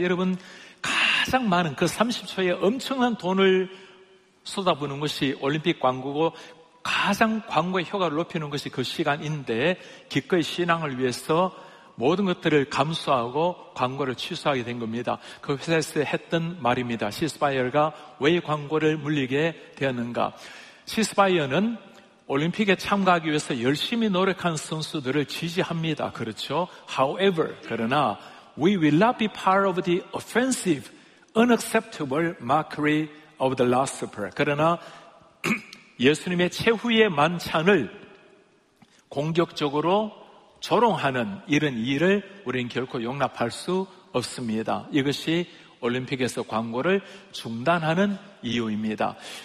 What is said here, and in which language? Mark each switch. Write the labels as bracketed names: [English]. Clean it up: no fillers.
[Korean] 여러분, 가장 많은 그 30초에 엄청난 돈을 쏟아부는 것이 올림픽 광고고 가장 광고의 효과를 높이는 것이 그 시간인데 기꺼이 신앙을 위해서 모든 것들을 감수하고 광고를 취소하게 된 겁니다. 그 회사에서 했던 말입니다. 시스바이어가 왜 광고를 물리게 되었는가? 시스바이어는 올림픽에 참가하기 위해서 열심히 노력한 선수들을 지지합니다. 그렇죠? [English] However, [Korean] 그러나 [English] we will not be part of the offensive, unacceptable mockery of the Last Supper. [Korean] 그러나 예수님의 최후의 만찬을 공격적으로 조롱하는 이런 일을 우리는 결코 용납할 수 없습니다. 이것이 올림픽에서 광고를 중단하는 이유입니다.